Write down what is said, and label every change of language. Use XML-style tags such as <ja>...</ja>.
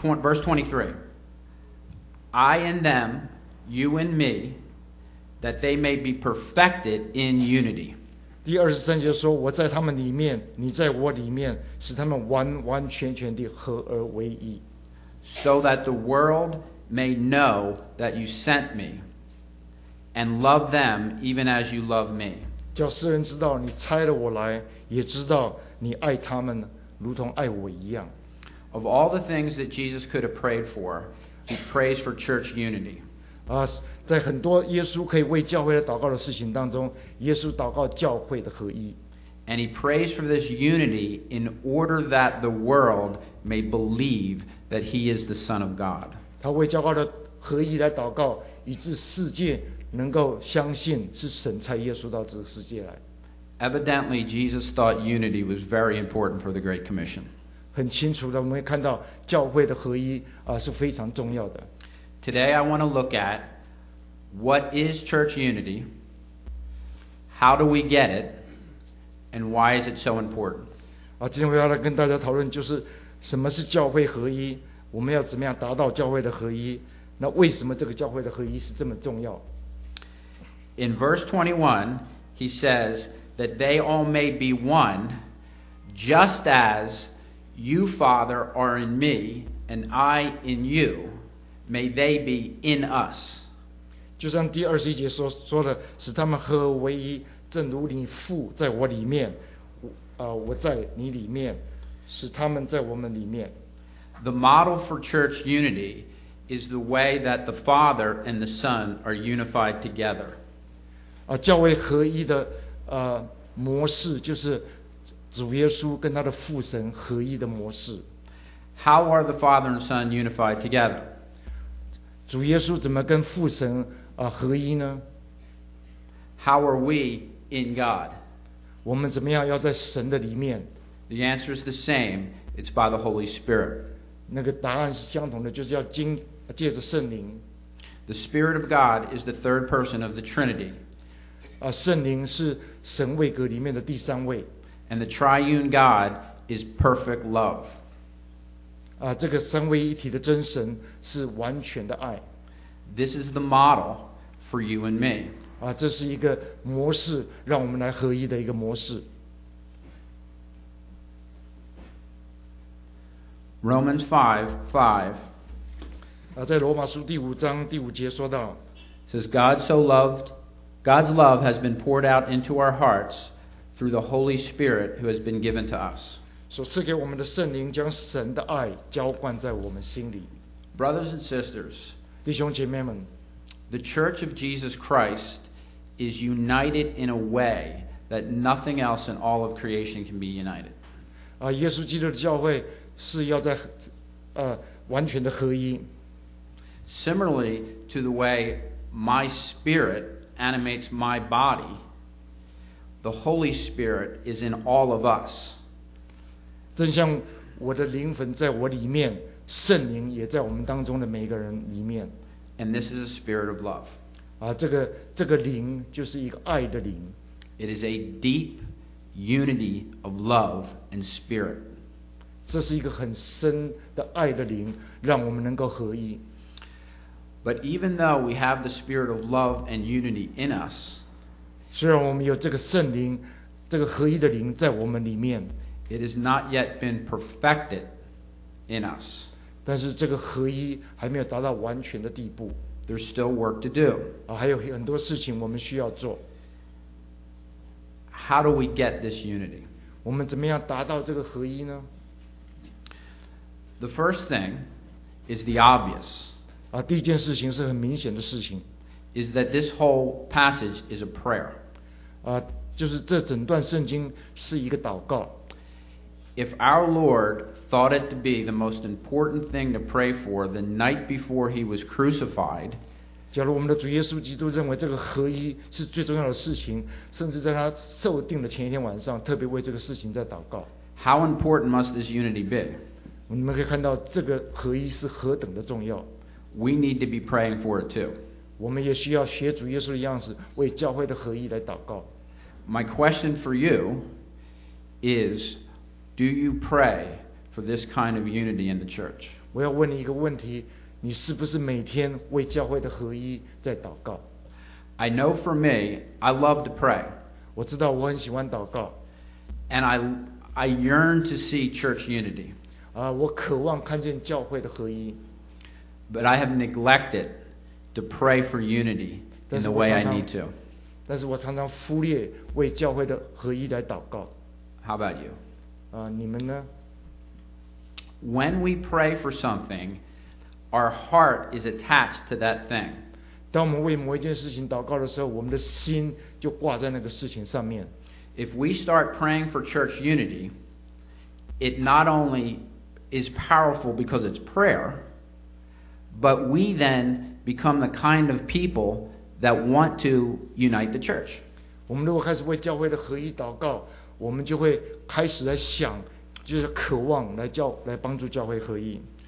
<en>Verse 23, I in them, you in me, that they may be perfected in unity.</en> <zh>第二十三节说，我在他们里面，你在我里面，使他们完完全全地合而为一。</zh> <en>So that the world may know that you sent me and love them even as you love me.</en> <zh>叫世人知道你差了我来，也知道你爱他们如同爱我一样。</zh> <en>Of all the things that Jesus could have prayed for, he prays for church unity.</en> <zh>在很多耶稣可以为教会祷告的事情当中，耶稣祷告教会的合一。</zh> <en>And he prays for this unity in order that the world may believe that he is the Son of God.</en> <zh>他为教会的合一来祷告，以致世界能够相信是神差耶稣到这个世界来。</zh> <en>Evidently, Jesus thought unity was very important for the Great Commission.</en> <zh>很清楚的，我们看到教会的合一是非常重要的。</zh> <en>Today, I want to look at what is church unity, how do we get it, and why is it so important?</en> <zh>今天我要来跟大家讨论就是什么是教会合一。我们要怎么样达到教会的合一？那为什么这个教会的合一是这么重要？</zh> <en>In verse 21, he says that they all may be one, just as you, Father, are in me, and I in you, may they be in us.</en> <zh>就像第二十一节说的，使他们合而为一，正如你父在我里面，我在你里面，使他们在我们里面。</zh> <en>The model for church unity is the way that the Father and the Son are unified together.</en> <zh>教会合一的模式就是主耶稣跟他的父神合一的模式。</zh> <en>How are the Father and Son unified together?</en> <zh>主耶稣怎么跟父神合一呢？</zh> <en>How are we in God?</en> <zh>我们怎么样要在神的里面？</zh> <en>The answer is the same. It's by the Holy Spirit.</en> <zh>那个答案是相同的，就是要借着圣灵。</zh> <en>The Spirit of God is the third person of the Trinity.</en> <zh>圣灵是神位格里面的第三位。</zh> <en>And the Triune God is perfect love.</en> <zh>这个三位一体的真神是完全的爱。</zh> <en>This is the model for you and me.</en> <zh>这是一个模式，让我们来合一的一个模式。</zh> <en>Romans 5:5.</en> <zh>在罗马书第五章第五节说到</zh> <en>，says God so loved, God's love has been poured out into our hearts through the Holy Spirit who has been given to us.</en> <zh>所赐给我们的圣灵将神的爱浇灌在我们心里。</zh> <en>Brothers and sisters,</en> <zh>弟兄姐妹们</zh> <en>，the Church of Jesus Christ is united in a way that nothing else in all of creation can be united.</en> <zh>耶稣基督的教会。是要在完全的合一。</zh> <en>Similarly to the way my spirit animates my body, the Holy Spirit is in all of us.</en> <zh>正像我的灵魂在我里面，圣灵也在我们当中的每一个人里面。</zh> <en>And this is a spirit of love.</en> <zh>这个灵就是一个爱的灵。</zh> <en>It is a deep unity of love and spirit.</en> <zh>这是一个很深的爱的灵，让我们能够合一。</zh> <en>But even though we have the spirit of love and unity in us,</en> <zh>虽然我们有这个圣灵，这个合一的灵在我们里面，</zh> <en>it has not yet been perfected in us.</en> <zh>但是这个合一还没有达到完全的地步。</zh> <en>There's still work to do.</en> <zh>还有很多事情我们需要做。</zh> <en>How do we get this unity?</en> <zh>我们怎么样达到这个合一呢？</zh> <en>The first thing is the obvious.</en> <zh>第一件事情是很明显的事情</zh> <en>is that this whole passage is a prayer.</en> <zh>就是这整段圣经是一个祷告。</zh> <en>If our Lord thought it to be the most important thing to pray for the night before he was crucified,</en> <zh>假如我们的主耶稣基督认为这个合一是最重要的事情，甚至在他受定的前一天晚上特别为这个事情在祷告。</zh> <en>How important must this unity be?</en> <zh>你们可以看到这个合一是何等的重要。</zh> <en>We need to be praying for it too.</en> <zh>我们也需要学主耶稣的样式，为教会的合一来祷告。</zh> <en>My question for you is, do you pray for this kind of unity in the church?</en> <zh>我要问你一个问题，你是不是每天为教会的合一在祷告？</zh> <en>I know for me, I love to pray.</en> <zh>我知道我很喜欢祷告。</zh> <en>And I yearn to see church unity.</en> <zh>我渴望看见教会的合一。</zh> <en>But I have neglected to pray for unity in the way I need to.</en> <zh>但是我常常忽略为教会的合一来祷告。</zh> <en>How about you?</en> <zh>你们呢？</zh> <en>When we pray for something, our heart is attached to that thing.</en> <zh>当我们为某一件事情祷告的时候，我们的心就挂在那个事情上面。</zh> <en>If we start praying for church unity, it not only is powerful because it's prayer,But we then become the kind of people that want to unite the church.</en> <zh>我们如果开始为教会的合一祷告，我们就会开始来想，就是渴望来帮助教会合一。</zh>